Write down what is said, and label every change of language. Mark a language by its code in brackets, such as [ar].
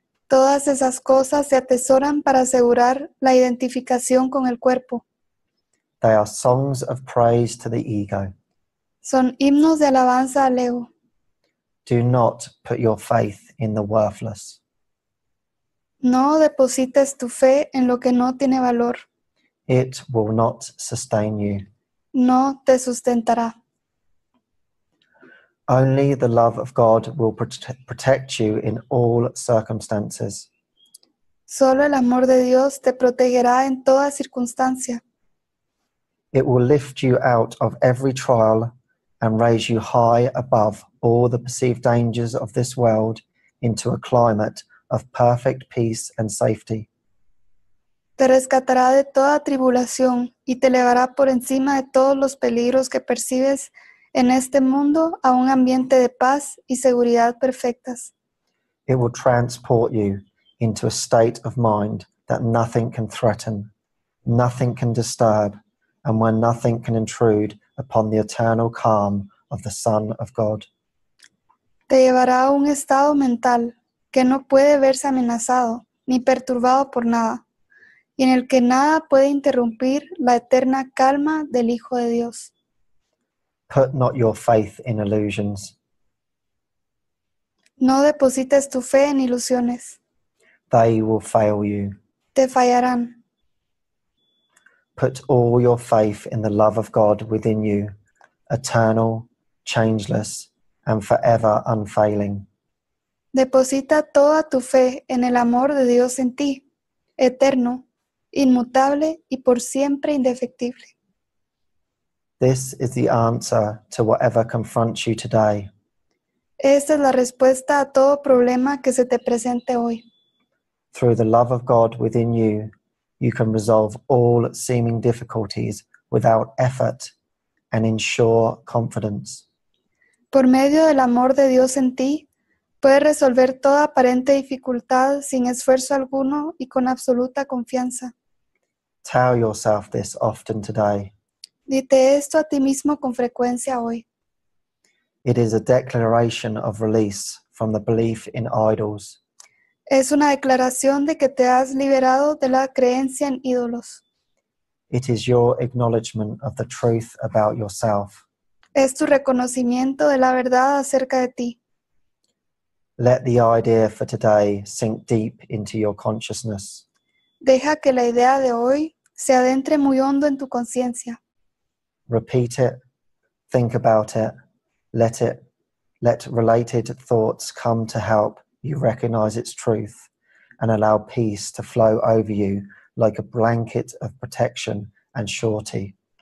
[es] Todas esas cosas se atesoran para asegurar la identificación con el cuerpo. [en] They are songs of praise to the ego. [es] Son himnos de alabanza al ego. [en] Do not put your faith in the worthless. [es] No deposites tu fe en lo que no tiene valor. [en] It will not sustain you. [es] No te sustentará. [en] Only the love of God will protect you in all circumstances. [es] Solo el amor de Dios te protegerá en toda circunstancia. [en] It will lift you out of every trial and raise you high above all the perceived dangers of this world into a climate of perfect peace and safety. [es] Te rescatará de toda tribulación y te elevará por encima de todos los peligros que percibes en este mundo a un ambiente de paz y seguridad perfectas. [en] It will transport you into a state of mind that nothing can threaten, nothing can disturb, and where nothing can intrude upon the eternal calm of the Son of God. [es] Te llevará a un estado mental que no puede verse amenazado ni perturbado por nada, y en el que nada puede interrumpir la eterna calma del Hijo de Dios. [en] Put not your faith in illusions. [es] No deposites tu fe en ilusiones. [en] They will fail you. [es] Te fallarán. [en] Put all your faith in the love of God within you, eternal, changeless, and forever unfailing. [es] Deposita toda tu fe en el amor de Dios en ti, eterno, inmutable y por siempre indefectible. [en] This is the answer to whatever confronts you today. [es] Esta es la respuesta a todo problema que se te presente hoy. [en] Through the love of God within you, you can resolve all seeming difficulties without effort and ensure confidence. [es] Por medio del amor de Dios en ti, puedes resolver toda aparente dificultad sin esfuerzo alguno y con absoluta confianza. [en] Tell yourself this often today. [es] Dite esto a ti mismo con frecuencia hoy. [en] It is a declaration of release from the belief in idols. [es] Es una declaración de que te has liberado de la creencia en ídolos. [en] It is your acknowledgement of the truth about yourself. [es] Es tu reconocimiento de la verdad acerca de ti. [en] Let the idea for today sink deep into your consciousness. [es] Deja que la idea de hoy se adentre muy hondo en tu conciencia. [en] Repeat it, think about it, let related thoughts come to help you recognize its truth, and allow peace to flow over you like a blanket of protection and surety.